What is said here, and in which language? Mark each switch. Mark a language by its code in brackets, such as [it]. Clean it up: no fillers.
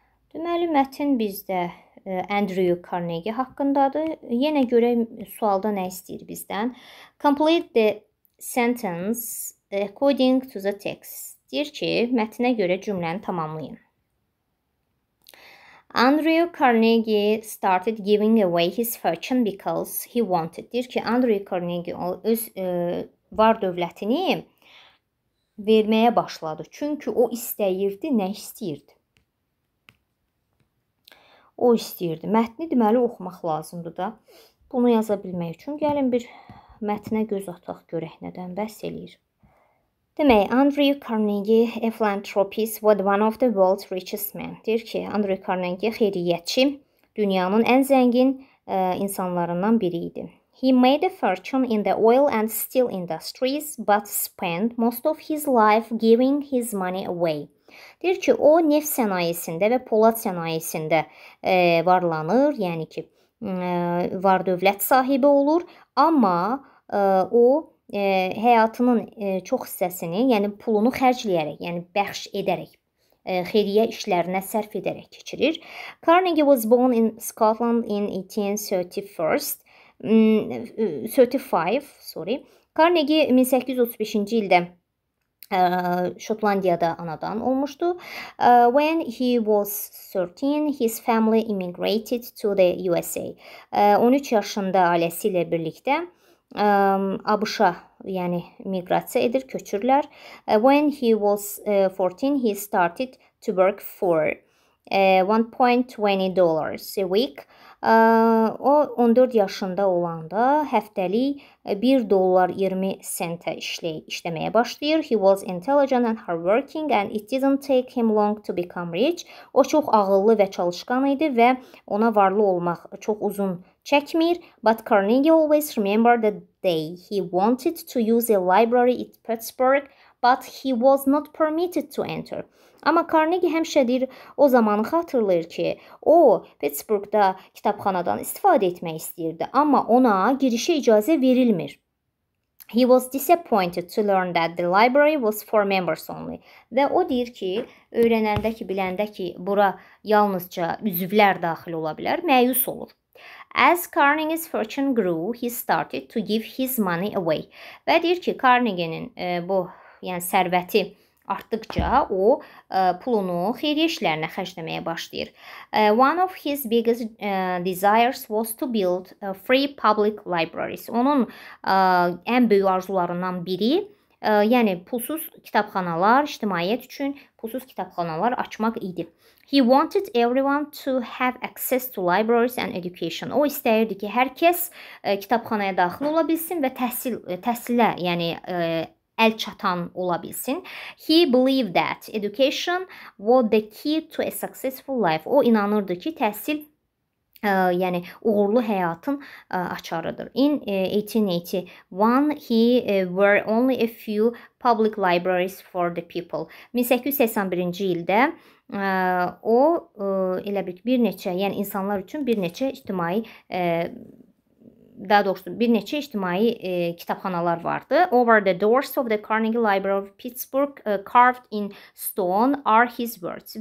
[az] Deməli, mətin bizdə Andrew Carnegie haqqındadır. Yenə görə sualda nə istəyir bizdən? [en] Complete the sentence according to the text. [az] Deyir ki, mətinə görə cümləni tamamlayın. [en] Andrew Carnegie started giving away his fortune because he wanted. [az] Deyir ki, Andrew Carnegie o öz var dövlətini verməyə başladı. Çünki o istəyirdi, nə istəyirdi? O istəyirdi. Mətni deməli oxumaq lazımdır da. Bunu yaza bilmək üçün gəlin bir mətnə göz ataq görək nədən bəhs eləyir. [en] Demək, Andrew Carnegie, a philanthropist, was one of the world's richest men. [az] Deyir ki, Andrew Carnegie xeyriyyətçi, dünyanın ən zəngin insanlarından biri idi. [en] He made a fortune in the oil and steel industries, but spent most of his life giving his money away. [az] Deyir ki, o neft sənayesində və polad sənayesində varlanır, yəni ki, var dövlət sahibi olur, amma o həyatının çox hissəsini, yəni pulunu xərcləyərək, yəni bəxş edərək, xeyriyyə işlərinə sərf edərək keçirir. [en] Carnegie was born in Scotland in 1835. [az] Carnegie 1835-ci ildə Şotlandiyada anadan olmuşdu. [en] When he was 13, his family immigrated to the USA. [az] 13 yaşında ailəsi ilə birlikdə ABŞ-a, yəni miqrasiya edir, köçürlər. [en] When he was 14, he started to work for $1.20 a week. [az] O 14 yaşında olanda həftəlik 1 dollar 20 sentə işləməyə başlayır. [en] He was intelligent and hardworking and it didn't take him long to become rich. [az] O çox ağıllı və çalışqan idi və ona varlı olmaq çox uzun çəkmir. [en] But Carnegie always remembered the day he wanted to use a library at Pittsburgh, but he was not permitted to enter. [az] Amma Carnegie həmişə deyir, o zamanı xatırlayır ki, o Pittsburgh-da kitabxanadan istifadə etmək istəyirdi, amma ona girişə icazə verilmir. [en] He was disappointed to learn that the library was for members only. [az] Və o deyir ki, öyrənəndə ki, biləndə ki, bura yalnızca üzvlər daxil ola bilər, məyus olur. [en] As Carnegie's fortune grew, he started to give his money away. [az] Və deyir ki, Carnegie-nin bu yəni sərvəti artdıqca o pulunu xeyriyyə işlərinə xərcləməyə başlayır. [en] One of his biggest desires was to build free public libraries. [az] Onun ən böyük arzularından biri, yəni pulsuz kitabxanalar, ictimaiyyət üçün pulsuz kitabxanalar açmaq idi. [en] He wanted everyone to have access to libraries and education. [az] O istəyirdi ki, hər kəs kitabxanaya daxil ola bilsin və təhsilə, yəni əl çatan ola bilsin. [en] He believed that education was the key to a successful life. [az] O inanırdı ki, təhsil yəni uğurlu həyatın açarıdır. [en] In 1881 he were only a few public libraries for the people. [az] 1881-ci ildə o elə bir neçə, yəni insanlar üçün bir neçə ictimai daha doğrusu bir neçə ictimai kitabxanalar vardı. [en] Over the doors of the Carnegie Library of Pittsburgh carved in stone are his words.